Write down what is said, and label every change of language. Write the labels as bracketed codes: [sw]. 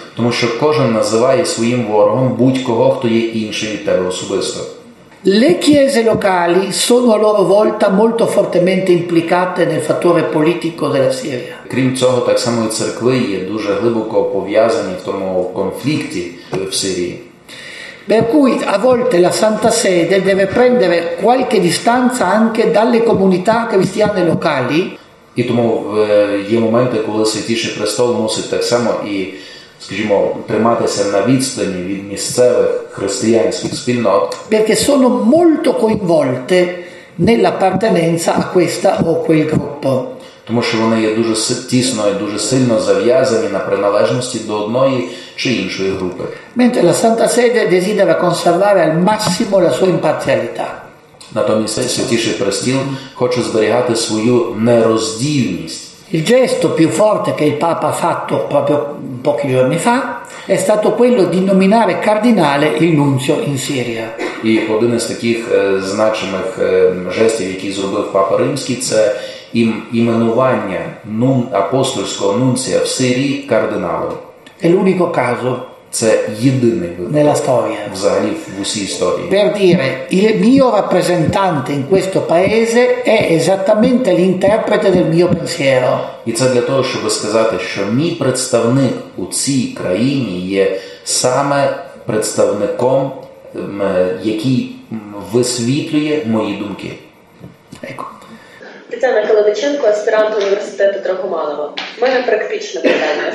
[uk] Тому що кожен називає своїм ворогом будь-кого, хто є інший від тебе особисто. [it] Le chiese locali sono a loro volta molto fortemente implicate nel fattore politico della Siria. [uk] Крім цього, так само і церкви є дуже глибоко пов'язані в тому конфлікті в Сирії. [it] Per cui a volte la Santa Sede deve prendere qualche distanza anche dalle comunità cristiane locali. [uk] І тому є моменти, коли Святіший Престол мусить так само і, скажімо, триматися на відстані від місцевих християнських спільнот. [it] Perché sono molto coinvolte nell'appartenenza a questa o quel gruppo. [uk] Тому що вони є дуже тісно і дуже сильно зав'язані на приналежності до одної чи іншої групи. [it] Mentre la Santa Sede desidera conservare al massimo la sua imparzialità. [uk] Натомість Святіший Престіл хоче зберігати свою нероздільність. [it] Il gesto più forte che il Papa ha fatto proprio pochi giorni fa è stato quello di nominare cardinale il nunzio in Siria. [uk] І один із таких значимих жестів, який зробив Папа Римський, це іменування апостольського нунція в Сирії кардиналом. [it] È l'unico caso. [uk] Це єдиний випадок. [it] Nella storia. [uk] Взагалі в усій історії. [it] Per dire, il mio rappresentante in questo paese è esattamente l'interprete del mio pensiero. [uk] І це для того, щоб сказати, що мій представник у цій країні є саме представником, який висвітлює мої думки. [it] Ecco. [uk] Тетяна Колодиченко, аспірант університету Драгоманова. У мене практичне питання.